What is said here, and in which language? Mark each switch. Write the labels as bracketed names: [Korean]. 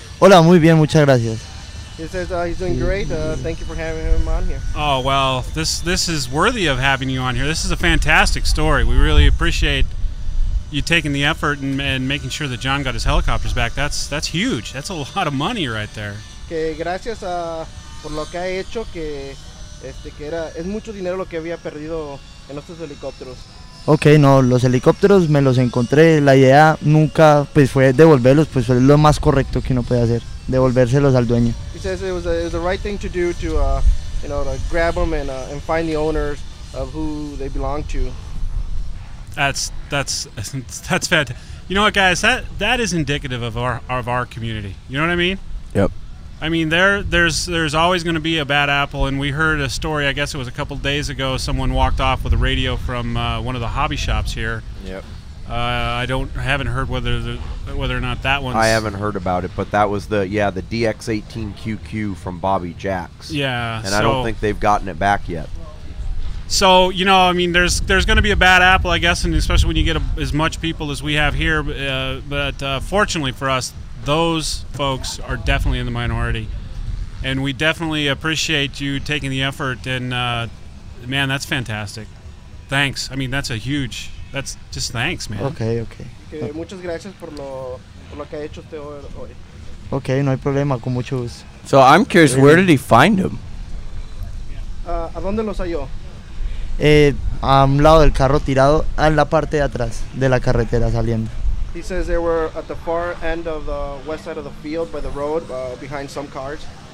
[Spanish] Hola, muy bien, muchas gracias. [English] He says he's doing great. Thank you for having him on here. Oh, well, this is worthy of having you on here. This is a fantastic story. We really appreciate you taking the effort and making sure that John got his helicopters back. That's huge. That's a lot of money right there. [Spanish] Que gracias a por lo que ha hecho, que que era es mucho dinero lo que había perdido en estos helicópteros. Okay, no, los helicópteros me los encontré. La idea nunca, pues, fue devolverlos, pues, es lo más correcto que uno puede hacer, devolvérselos al dueño. [English] He says it was the right thing to do to, you know, to grab them and find the owners of who they belong to. That's fantastic. You know what, guys? That is indicative of our community. You know what I mean? Yep. I mean, there's always going to be a bad apple, and we heard a story, I guess it was a couple days ago, someone walked off with a radio from one of the hobby shops here. Yep. I haven't heard whether or not that one's... I haven't heard about it, but that was the DX-18QQ from Bobby Jacks. Yeah, and so, I don't think they've gotten it back yet. So, you know, I mean, there's going to be a bad apple, I guess, and especially when you get as much people as we have here, but fortunately for us, those folks are definitely in the minority, and we definitely appreciate you taking the effort. And man, that's fantastic. Thanks. I mean, that's a huge. That's just thanks, man. Okay. [Spanish] Muchas gracias por lo que ha hecho usted hoy. Okay, no hay problema. Con mucho gusto. [English] So I'm curious, where did he find him? [Spanish] ¿A dónde los halló? A un lado del carro tirado, en la parte de atrás de la carretera saliendo. [English] He says they were at the far end of the west side of the field by the road, behind some cars.